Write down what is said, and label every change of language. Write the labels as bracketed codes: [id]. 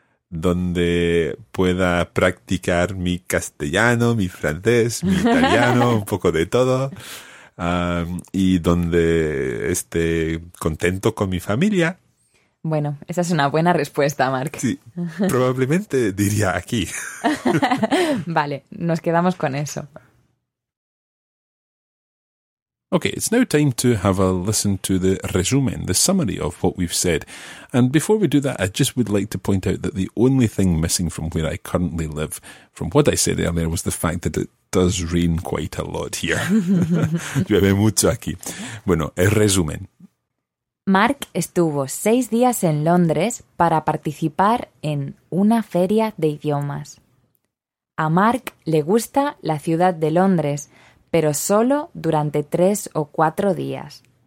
[es] Donde pueda practicar mi castellano, mi francés, mi italiano, un poco de todo. Y donde esté contento con mi familia. Bueno, esa es una buena respuesta, Mark. Sí, probablemente diría aquí. Vale, nos quedamos con eso. [en] Okay, it's now time to have a listen to the resumen, the summary of what we've said. And before we do that, I just would like to point out that the only thing missing from where I currently live, from what I said earlier, was the fact that it does rain quite a lot here. [es] Llueve mucho aquí. Bueno, el resumen. Mark estuvo 6 días en Londres para participar en una feria de idiomas. A Mark le gusta la ciudad de Londres, pero solo durante 3 o 4 días.